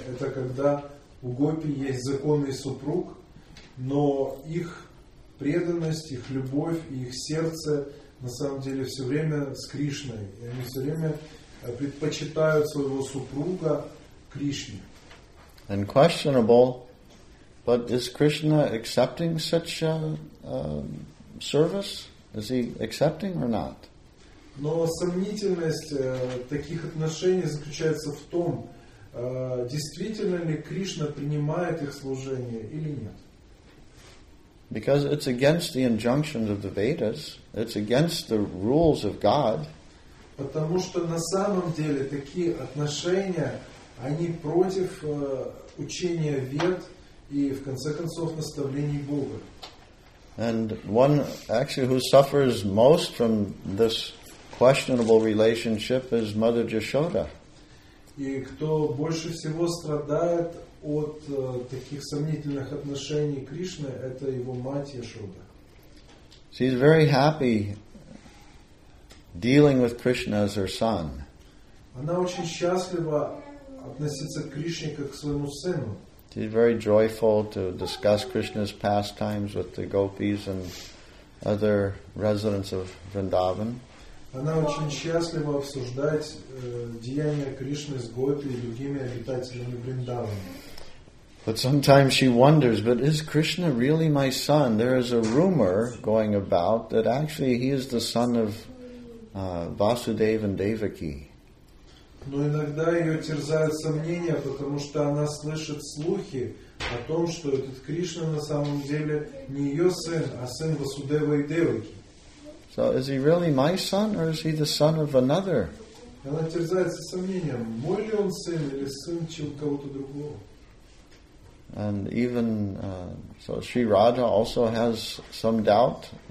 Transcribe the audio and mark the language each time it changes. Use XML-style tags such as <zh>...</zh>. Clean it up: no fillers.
<ru>Это когда у гопи есть законный супруг, но их преданность, их любовь и их сердце на самом деле все время с Кришной. И они все время предпочитают своего супруга Кришне.</ru> <en>And questionable, but is Krishna accepting such a service? Is he accepting or not?</en> <ru>Но сомнительность таких отношений заключается в том, действительно ли Кришна принимает их служение или нет.</ru> <en>Because it's against the injunctions of the Vedas, it's against the rules of God.</en> <ru>Потому что на самом деле такие отношения, они против учения Вед и, в конце концов, наставлений Бога.</ru> <en>And one actually who suffers most from this questionable relationship is Mother Yashoda.</en> <ru>И кто больше всего страдает от таких сомнительных отношений Кришны, это его мать Яшода.</ru> <en>She's very happy dealing with Krishna as her son.</en> <ru>Она очень счастлива относиться к Кришне как к своему сыну.</ru> <en>She's very joyful to discuss Krishna's pastimes with the gopis and other residents of Vrindavan.</en> <ru>Она очень счастлива обсуждать деяния Кришны с гопи и другими обитателями Вриндавана.</ru> <en>But sometimes she wonders, but is Krishna really my son? There is a rumor going about that actually he is the son of Vasudeva and Devaki.</en> <ru>Но иногда ее терзают сомнения, потому что она слышит слухи о том, что этот Кришна на самом деле не ее сын, а сын Васудева и Девики.</ru> <en>So is he really my son, or is he the son of another?</en> <ru>Она терзается сомнением, мой ли он сын или сын чего-то другого.</ru> <en>And even so, Sri Radha also has some doubt.</en>